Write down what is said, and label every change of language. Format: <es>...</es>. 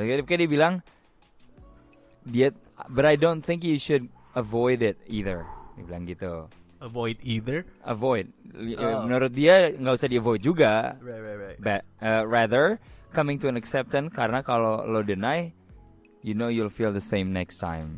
<id>Kayaknya dia bilang dia,</id> <en>but I don't think you should avoid it either.</en> <id>Dia bilang gitu.</id> <en>Avoid either? Avoid.</en> <id>Menurut dia nggak usah di avoid juga.</id> <en>Right. But rather coming to an acceptance,</en> <id>karena kalau lo</id> <en>deny, you know you'll feel the same next time.</en>